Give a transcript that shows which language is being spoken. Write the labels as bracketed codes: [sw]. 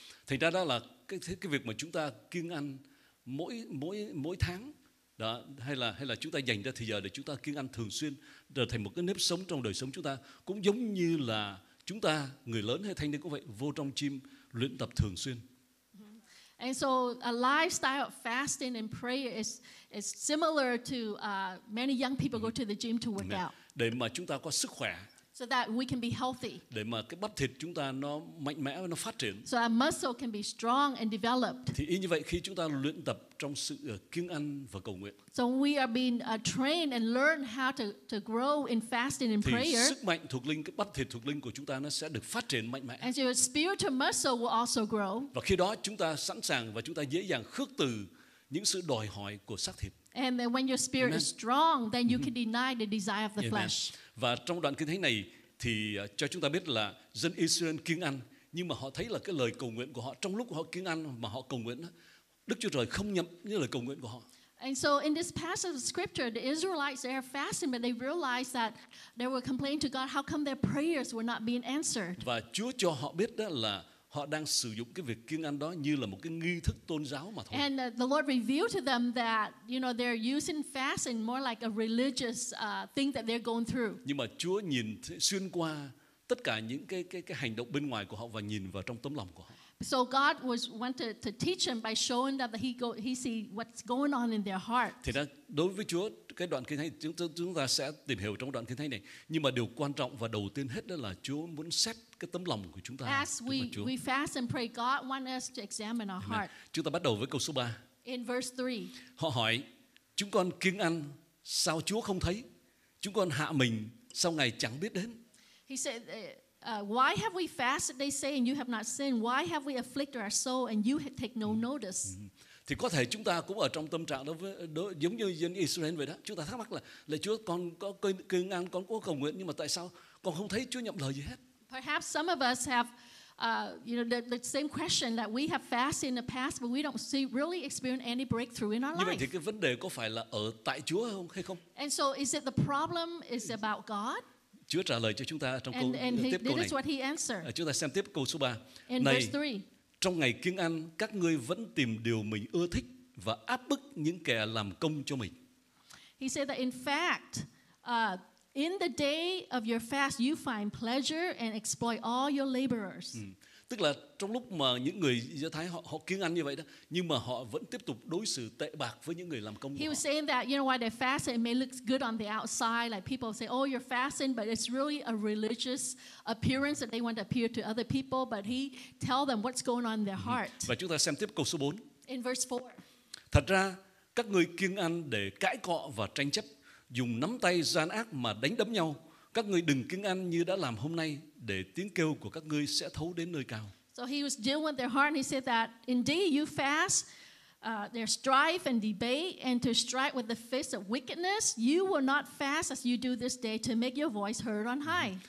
[vi] Thì đó đó là cái việc mà chúng ta kiêng ăn mỗi tháng đó, hay là chúng ta dành ra thời giờ để chúng ta kiêng ăn thường xuyên trở thành một cái nếp sống trong đời sống chúng ta, cũng giống như là chúng ta người lớn hay thanh niên cũng vậy, vô trong gym luyện tập thường xuyên. [en] And so a lifestyle of fasting and prayer is similar to many young people go to the gym to work out. [vi] Để mà chúng ta có sức khỏe. [en] So that we can be healthy. [vi] Để mà cái bắp thịt chúng ta nó mạnh mẽ và nó phát triển. [en] So our muscle can be strong and developed. [vi] Thì y như vậy khi chúng ta luyện tập trong sự kiêng ăn và cầu nguyện. [en] So we are being trained and learn how to grow in fasting and [vi] thì [en] prayer. [vi] Thì sức mạnh thuộc linh, cái bắp thịt thuộc linh của chúng ta nó sẽ được phát triển mạnh mẽ. [en] And your spiritual muscle will also grow. [vi] Và khi đó chúng ta sẵn sàng và chúng ta dễ dàng khước từ những sự đòi hỏi của xác thịt. [en] And then when your spirit is strong, then you can deny the desire of the flesh. [vi] Và trong đoạn kinh thánh này thì cho chúng ta biết là dân Israel kiêng ăn, nhưng mà họ thấy là cái lời cầu nguyện của họ trong lúc họ kiêng ăn mà họ cầu nguyện, Đức Chúa Trời không nhận những lời cầu nguyện của họ. [en] And so in this passage of scripture, the Israelites, they are fasting, but they realize that they were complaining to God, how come their prayers were not being answered? [vi] Và Chúa cho họ biết đó là họ đang sử dụng cái việc kiêng ăn đó như là một cái nghi thức tôn giáo mà thôi. [en] And the Lord revealed to them that, you know, they're using fasting more like a religious thing that they're going through. [vi] Nhưng mà Chúa nhìn xuyên qua tất cả những cái hành động bên ngoài của họ và nhìn vào trong tấm lòng của họ. [en] So God was wanted to teach them by showing them that he see what's going on in their heart. [vi] Thì đó, đối với Chúa, cái đoạn kinh thánh chúng ta sẽ tìm hiểu trong đoạn kinh thánh này. Nhưng mà điều quan trọng và đầu tiên hết đó là Chúa muốn xét cái tấm lòng của chúng ta. [en] As we fast and pray, God wants us to examine our heart. [vi] Chúng ta bắt đầu với câu số 3. [en] In verse 3. [vi] Họ hỏi, chúng con kiêng ăn, sao Chúa không thấy? Chúng con hạ mình, sao Ngài chẳng biết đến? [en] He said, why have we fasted, they say, and you have not sinned? Why have we afflicted our soul, and you take no notice? [vi] Thì có thể chúng ta cũng ở trong tâm trạng đó với giống như dân Israel vậy đó. Chúng ta thắc mắc là, Chúa con có kiêng ăn, con có cầu nguyện, nhưng mà tại sao con không thấy Chúa nhận lời gì hết? [en] Perhaps some of us have, you know, the same question that we have fasted in the past, but we don't see really experience any breakthrough in our life. [vi] Như vậy thì cái vấn đề có phải là ở tại Chúa không hay không? [en] And so, is it the problem is about God? [vi] Chúa trả lời cho chúng ta trong câu tiếp câu này. Chúng ta xem tiếp câu số 3. Này, trong ngày kiêng ăn, các ngươi vẫn tìm điều mình ưa thích và áp bức những kẻ làm công cho mình. [en] He said that in fact, in the day of your fast, you find pleasure and exploit all your laborers. [vi] Tức là trong lúc mà những người Do Thái họ kiêng ăn như vậy đó, nhưng mà họ vẫn tiếp tục đối xử tệ bạc với những người làm công. [en] He was saying that, you know, while they fast, it may look good on the outside, like people say, oh, you're fasting, but it's really a religious appearance that they want to appear to other people, but he tell them what's going on in their heart. [vi] Và chúng ta xem tiếp câu số 4. [en] In verse 4. [vi] Thật ra, các ngươi kiêng ăn để cãi cọ và tranh chấp, dùng nắm tay gian ác mà đánh đấm nhau. Các ngươi đừng kiêng ăn như đã làm hôm nay, để tiếng kêu của các ngươi sẽ thấu đến nơi cao. [en] So he was dealing with their heart, and he said that indeed you fast, their strife and debate, and to strike with the fist of wickedness, you will not fast as you do this day to make your voice heard on high.